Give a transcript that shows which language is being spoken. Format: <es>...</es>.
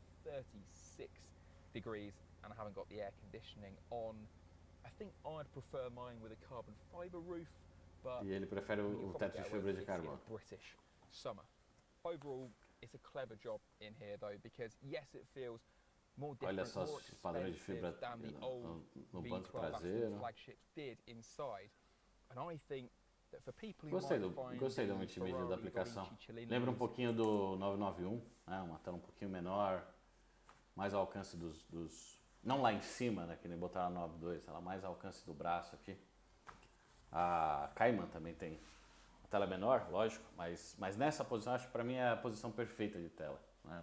<en>36 degrees and I haven't got the air conditioning on. I think I'd prefer mine with a carbon fiber roof, but</en> <pt>e ele prefere o teto de fibra de carbono.</pt> <en>British summer. Overall, it's a clever job in here though, because yes, it feels more different.</en> <pt>Olha só os padrões de fibra no banco traseiro.</pt> <en>Flagship did inside. And I think</en> <pt>Gostei do, multimídia da aplicação. Lembra um pouquinho do 991, né? Uma tela um pouquinho menor, mais ao alcance dos, não lá em cima, né? Que nem botaram a 92, ela mais ao alcance do braço aqui. A Cayman também tem a tela menor, lógico, mas nessa posição, acho que para mim é a posição perfeita de tela, né?</pt>